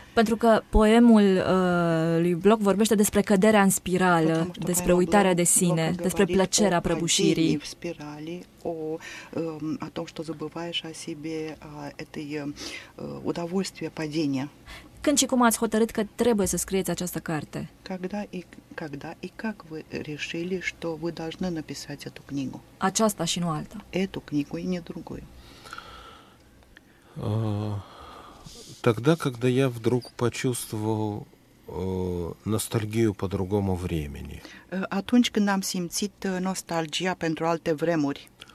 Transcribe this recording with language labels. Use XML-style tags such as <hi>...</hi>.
<ro>Pentru că poemul lui Blok vorbește despre căderea în spirală, despre uitarea de sine, despre plăcerea prăbușirii.</ro> <ru>В спирали о том, что забываешь о себе, это удовольствие падения.</ru> <ro>Când și cum ați hotărât că trebuie să scrieți această carte?</ro> <ru>Когда и как вы решили, что вы должны написать эту книгу?</ru> <ro>Aceasta și nu alta.</ro> <ru>Эту книгу и не другую. Тогда, когда я вдруг почувствовал ностальгию по другому времени.</ru> <ro>Atunci când am simțit nostalgia pentru alte vremuri.</ro>